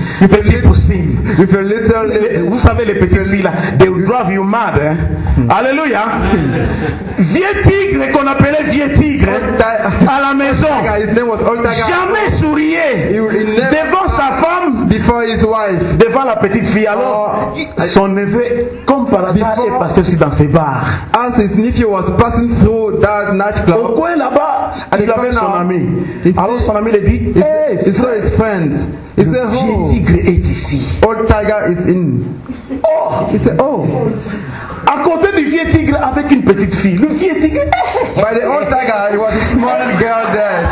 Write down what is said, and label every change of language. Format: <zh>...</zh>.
<fr>Petit poussin. Vous savez les petites filles là,</fr> <en>they will drive you mad.</en> <fr>Eh? Alléluia. Vieux tigre qu'on appelait vieux tigre à la maison.</fr> <en>His name was Old Tiger.</en> <fr>Jamais souriait devant sa femme.</fr> <en>Before his wife.</en> <fr>Devant la petite fille. Alors son neveu, comme par hasard, est passé aussi dans ses bars.</fr> <en>As his nephew was passing through that nightclub.</en> <fr>Au coin là-bas, il avait son ami. Alors son ami lui dit, hey,</fr> <en>he saw his friends.</en> <fr>Le vieux tigre est ici.</fr> <en>Old Tiger is in. Oh, he said, oh.</en> <fr>À côté du vieux tigre avec une petite fille. Le vieux tigre.</fr> <en>By the old tiger, it was a small girl there.</en>